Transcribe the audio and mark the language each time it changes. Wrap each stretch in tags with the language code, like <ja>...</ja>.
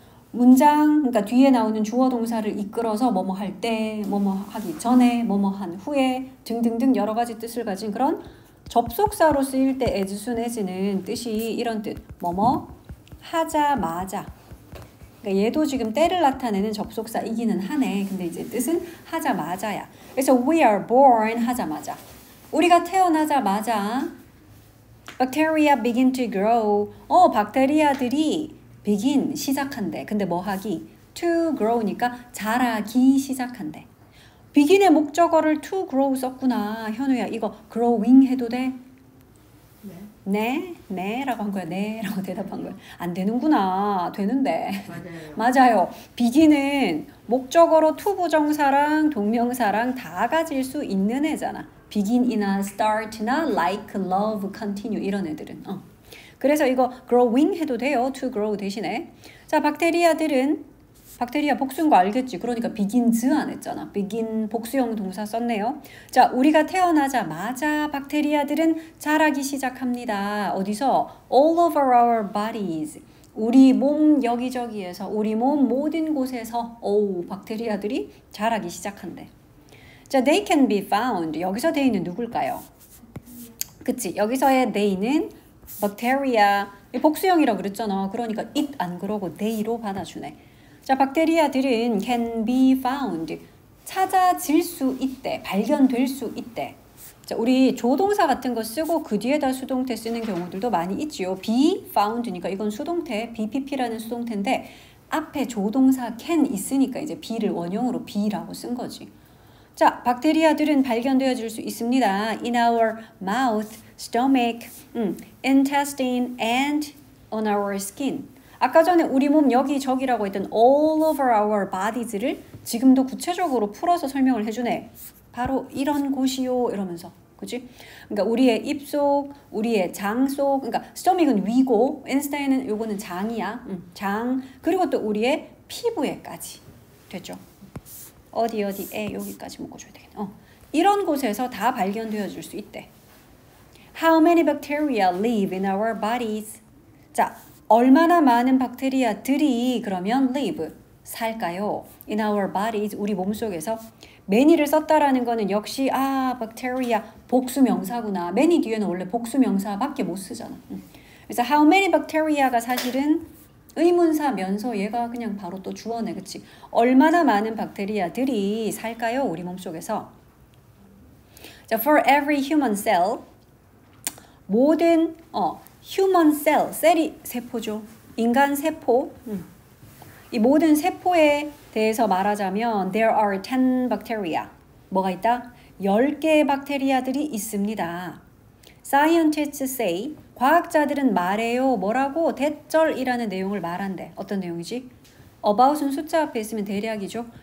<ko>문장, 그러니까 뒤에 나오는 주어 동사를 이끌어서 뭐뭐 할 때, 뭐뭐 하기 전에, 뭐뭐 한 후에 등등등 여러 가지 뜻을 가진 그런 접속사로 쓰일 때 as soon as는 뜻이 이런 뜻. 뭐뭐 하자마자. 그러니까 얘도 지금 때를 나타내는 접속사이기는 하네. 근데 이제 뜻은 하자마자야. 그래서</ko> <en>we are born</en> <ko>하자마자. 우리가 태어나자마자</ko> <en>bacteria begin to grow.</en> <ko>박테리아들이 begin 시작한대. 근데 뭐 하기? to grow니까 자라기 시작한대. begin의 목적어를 to grow 썼구나. 현우야, 이거 growing 해도 돼? 네. 네라고 한 거야. 네라고 대답한 거야. 안 되는구나. 되는데. 맞아요. 맞아요. Begin은 목적어로 to 부정사랑 동명사랑 다 가질 수 있는 애잖아. Begin이나 start나 like, love, continue 이런 애들은. 그래서 이거 growing 해도 돼요. to grow 대신에. 자, 박테리아들은 박테리아 복수인 거 알겠지? 그러니까 begins 안 했잖아. begin 복수형 동사 썼네요. 자, 우리가 태어나자마자 박테리아들은 자라기 시작합니다. 어디서?</ko> <en>All over our bodies.</en> <ko>우리 몸 여기저기에서, 우리 몸 모든 곳에서 오우, 박테리아들이 자라기 시작한대.</ko> <en>자, they can be found.</en> <ko>여기서 they는 누굴까요? 그치, 여기서의 they는 박테리아. 복수형이라고 그랬잖아. 그러니까 it 안 그러고 they로 받아주네. 자, 박테리아들은 can be found. 찾아질 수 있대. 발견될 수 있대. 자, 우리 조동사 같은 거 쓰고 그 뒤에다 수동태 쓰는 경우들도 많이 있지요. be found니까 이건 수동태, BPP라는 수동태인데 앞에 조동사 can 있으니까 이제 be를 원형으로 be라고 쓴 거지. 자, 박테리아들은 발견되어질 수 있습니다.</ko> <en>In our mouth, stomach, intestine, and on our skin.</en> <ko>아까 전에 우리 몸 여기저기라고 했던</ko> <en>all over our bodies</en> <ko>를 지금도 구체적으로 풀어서 설명을 해주네. 바로 이런 곳이요 이러면서. 그치? 그러니까 우리의 입속, 우리의 장속, 그러니까 stomach은 위고, intestine은 요거는 장이야. 장, 그리고 또 우리의 피부에까지. 됐죠? 어디 어디에 여기까지 묶어줘야 되겠네. 이런 곳에서 다 발견되어질 수 있대.</ko> <en>How many bacteria live in our bodies?</en> <ko>자, 얼마나 많은 박테리아들이 그러면 live, 살까요?</ko> <en>In our bodies,</en> <ko>우리 몸속에서. many를 썼다라는 거는 역시 아, bacteria, 복수명사구나. many 뒤에는 원래 복수명사밖에 못 쓰잖아. 그래서 how many bacteria가 사실은 의문사 면서 얘가 그냥 바로 또 주어네. 그치? 얼마나 많은 박테리아들이 살까요? 우리 몸속에서.</ko> <en>자, for every human cell, 모든 human cell,</en> <ko>셀이 세포죠. 인간 세포. 이 모든 세포에 대해서 말하자면</ko> <en>there are 10 bacteria.</en> <ko>뭐가 있다? 10개의 박테리아들이 있습니다.</ko> <en>Scientists say,</en> <ko>과학자들은 말해요. 뭐라고? 대절이라는 내용을 말한대. 어떤 내용이지? About은 숫자 앞에 있으면 대략이죠.</ko>